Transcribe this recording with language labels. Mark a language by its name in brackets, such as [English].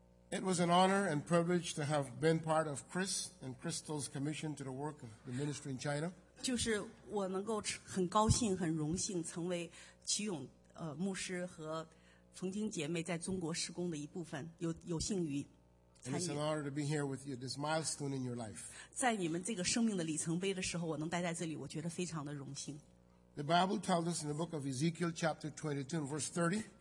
[English] It was an honor and privilege to have been part of Chris and Crystal's commission to the work of the ministry in China. [Chinese] 就是我能够很高兴、很荣幸成为齐勇牧师和冯晶姐妹在中国施工的一部分，有幸于参与。 [English] It's an honor to be here with you. This milestone in your life. [Chinese] 在你们这个生命的里程碑的时候，我能待在这里，我觉得非常的荣幸。 [English] The Bible tells us in the book of Ezekiel, chapter 22, and verse 30.